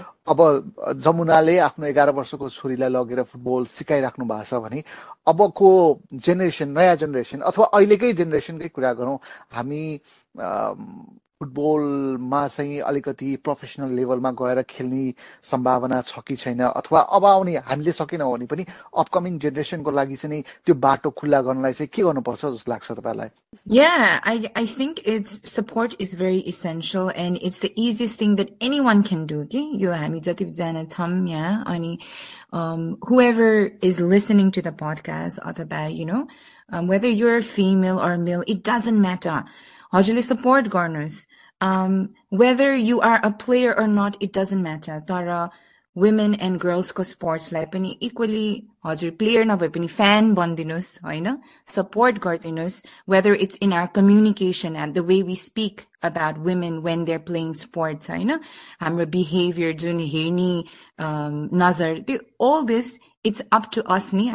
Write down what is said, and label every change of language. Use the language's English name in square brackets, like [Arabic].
[Nepali] अब जमुनाले आफ्नो 11 वर्षको छोरीलाई लगेर फुटबल सिकाइराख्नु भएको छ भने अबको जेनेरेसन नयाँ जेनेरेसन अथवा अहिलेकै जेनेरेसनकै कुरा गरौँ हामी फुटबलमा चाहिँ अलिकति प्रोफेसनल लेभलमा गएर खेल्ने सम्भावना छ कि छैन अथवा अब आउने हामीले सकेनौँ भने पनि अपकमिङ जेनेरेसनको लागि चाहिँ त्यो बाटो खुल्ला गर्नलाई चाहिँ के गर्नुपर्छ जस्तो लाग्छ तपाईँलाई? [English] Yeah, I think it's support is very essential and it's the easiest thing that anyone can do. Yo hami jati jana chham ya ani whoever is listening to the podcast athaba you know whether you're a female or a male, it doesn't matter. [Nepali] हजुरले support गर्नुहोस्. Weather you are a player or not it doesn't matter, तर women and गर्ल्सको स्पोर्ट्सलाई पनि equally हजुर player नभए पनि fan बनिदिनुहोस् होइन, support गरिदिनुहोस्. [English] Whether it's in our communication and the way we speak about women when they're playing sports होइन, हाम्रो behaviour जुन हेर्ने नजर त्यो all this it's up to us नि.